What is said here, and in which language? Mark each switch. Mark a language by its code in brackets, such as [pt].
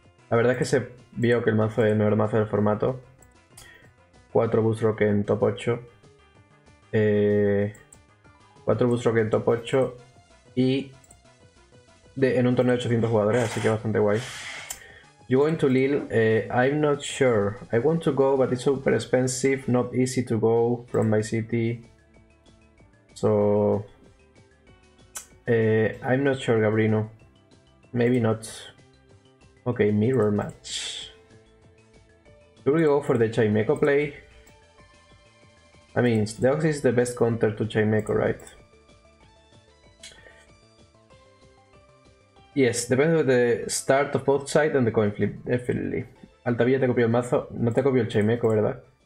[es] La verdad es que se vio que el mazo es el mejor mazo del formato. 4 Boost Rock en top 8. 4 Boost Rock en top 8 y en un torneo de 800 jugadores, así que bastante guay. [en] You're going to Lille, I'm not sure. I want to go, but it's super expensive, not easy to go from my city. So, I'm not sure, Gabrino. Maybe not. Okay, mirror match. Should we go for the Chimeco play? I mean, Deoxys is the best counter to Chimeco, right? Yes, depends of the start of both sides and the coin flip, definitely. [es] Altavilla te copió el mazo, no te copió el Chimeco, ¿verdad?